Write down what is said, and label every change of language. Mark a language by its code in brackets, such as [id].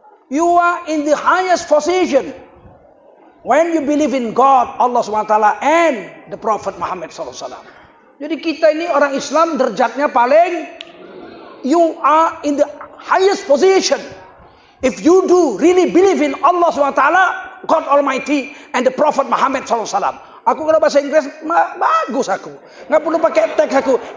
[en] You are in the highest position when you believe in God, Allah SWT, and the Prophet Muhammad SAW. [id] Jadi kita ini orang Islam derajatnya paling. [en] You are in the highest position. If you do really believe in Allah SWT, God Almighty, and the Prophet Muhammad SAW. [id] Aku kalau bahasa Inggris, bagus aku. Nggak perlu pakai teks aku.